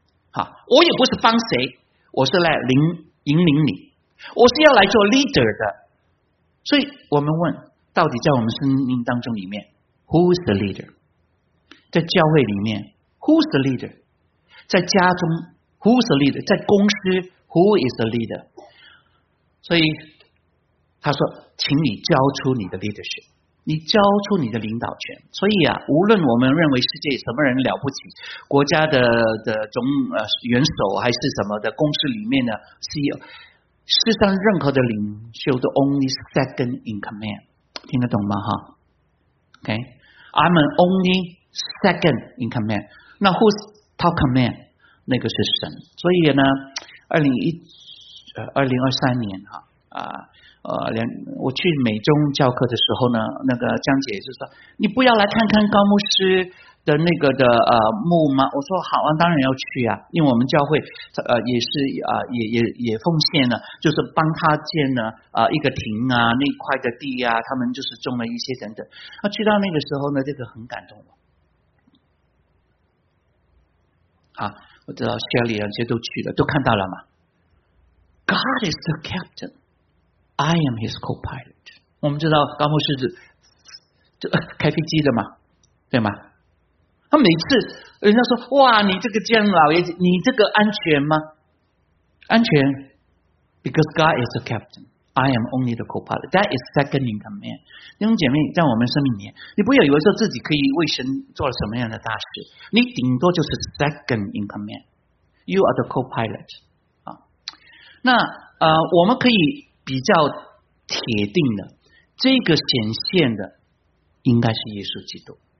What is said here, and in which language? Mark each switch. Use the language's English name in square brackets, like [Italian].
[Chinese] 好，我也不是帮谁，我是来引领你，我是要来做 leader 的。所以我们问，到底在我们生命当中里面 ， [English] who is the leader？ [Chinese] 在教会里面 ， [English] who is the leader？ [Chinese] 在家中 ，who is the leader？在公司 ， [English] who is the leader？ [Chinese] 所以。他说请你交出你的 leadership， 你交出你的领导权。所以啊，无论我们认为世界什么人了不起，国家 的元首还是什么的公司里面的 CEO， 世上任何的领袖都 [English] only second in command， [Chinese] 听得懂吗 OK， [English] I'm an only second in command， [Chinese] 那 [English] who's top command， [Chinese] 那个是神。所以呢2023年我去美中教课的时候呢，那个江姐就说，你不要来看看高牧师的那个的墓吗？我说好啊，当然要去啊，因为我们教会也是也奉献了，就是帮他建了一个亭啊，那块的地啊，他们就是种了一些等等。那去到那个时候呢，这个很感动我。好，我知道 Shelly 啊，这些都去了，都看到了吗 ？ [English] God is the captain, I am his co-pilot。 [Chinese] 我们知道高牧师是开飞机的嘛，对吗？他每次人家说，哇，你这个江老爷子，你这个安全吗？安全 [English] ，because God is the captain, I am only the co-pilot. That is second in command。 [Chinese] 弟兄姐妹，在我们生命里面，你不要以为说自己可以为神做了什么样的大事，你顶多就是 [English] second in command. You are the co-pilot。 [Chinese] 啊，那我们可以比较铁定的，这个显现的应该是耶稣基督。